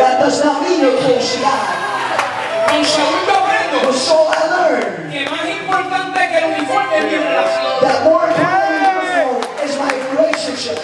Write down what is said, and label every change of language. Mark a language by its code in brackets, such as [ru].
[en] That does not mean you're close to God. [es] Con Saúl yo aprendo. [en] With Saul I learned. [es] Que más importante que el uniforme es mi relación. [en] That more important than the uniforme is my relationship.